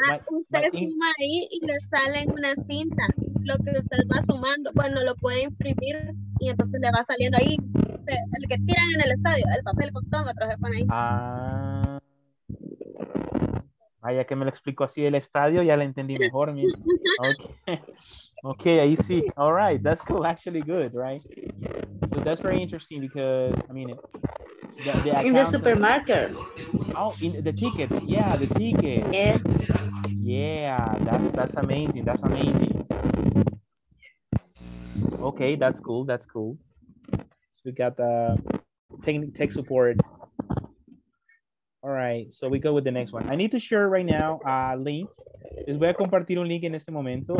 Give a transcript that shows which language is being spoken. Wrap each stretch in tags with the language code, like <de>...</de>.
<es>Usted suma ahí y le sale en una cinta. Lo que usted va sumando, bueno, lo puede imprimir y entonces le va saliendo ahí. El que tiran en el estadio, el papel contómetro se pone ahí. Ah. Ah, ya que me lo explico así del estadio, ya la entendí mejor.</es> <en>Okay,</en> <es>ahí sí.</es> <en>All right, that's cool, actually good, right? So that's very interesting because, I mean, the in the supermarket. Oh, in the tickets, yeah, the tickets. Yes. Yeah, that's amazing, that's amazing. Okay, that's cool. So we got the tech support. All right, so we go with the next one. I need to share right now a link.</en> <es>Les voy a compartir un link en este momento.</es>